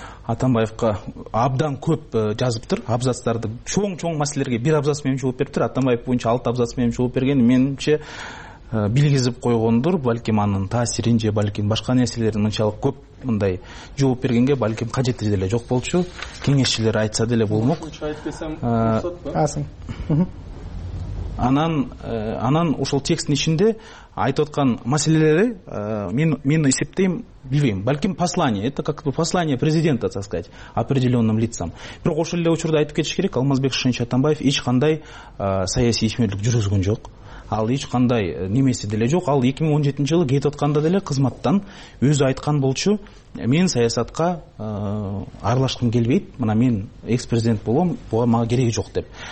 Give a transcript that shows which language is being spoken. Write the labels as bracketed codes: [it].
[ky] Атамбаевка абдан көп жазыптыр, абзацтарды чоң-чоң маселелерге бир абзац менен жооп бериптир. Атамбаев боюнча 6 абзац менен жооп берген, менимче билгизип койгондур, балким анын таасирин же балким башка нерселерин мынчалык көп мындай жооп бергенге балким кажети деле жок болчу. Кеңешчилер айтса деле болмок. Анан ошол тексттин ичинде айтып аткан маселелери мен эсептейм, билбейм, балким [ru] послание, это как послание президента, так сказать, определенным лицам. [ky] Бирок ошол эле учурда айтып кетиш керек, Алмазбек Шынч Атамбаев эч кандай саясий ишмерлик жүргүзгөн жок. Ал эч кандай немеси деле жок. Ал 2017 жылы кетип атканда деле кызматтан өзү айткан болчу, мен саясатка аралашкым келбейт, мына мен экс президент болом, буга мага кереги жок деп.